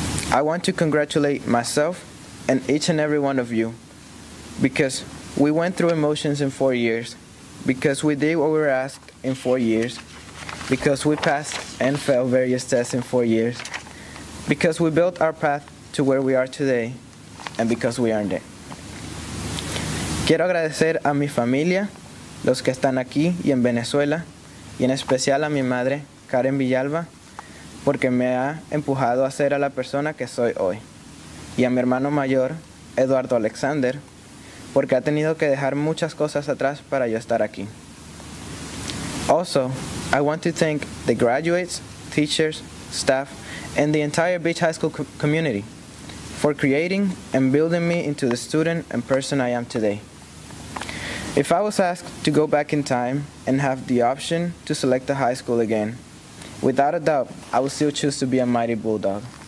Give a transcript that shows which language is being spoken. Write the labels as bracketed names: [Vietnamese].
[English] I want to congratulate myself and each and every one of you, because we went through emotions in 4 years, because we did what we were asked in 4 years, because we passed and failed various tests in 4 years, because we built our path to where we are today, and because we earned it. [Spanish] Quiero agradecer a mi familia, los que están aquí y en Venezuela, y en especial a mi madre, Karen Villalba, porque me ha empujado a ser a la persona que soy hoy, y a mi hermano mayor, Eduardo Alexander, porque ha tenido que dejar muchas cosas atrás para yo estar aquí. [English] Also, I want to thank the graduates, teachers, staff, and the entire Beach High School community for creating and building me into the student and person I am today. If I was asked to go back in time and have the option to select a high school again, without a doubt, I would still choose to be a Mighty Bulldog.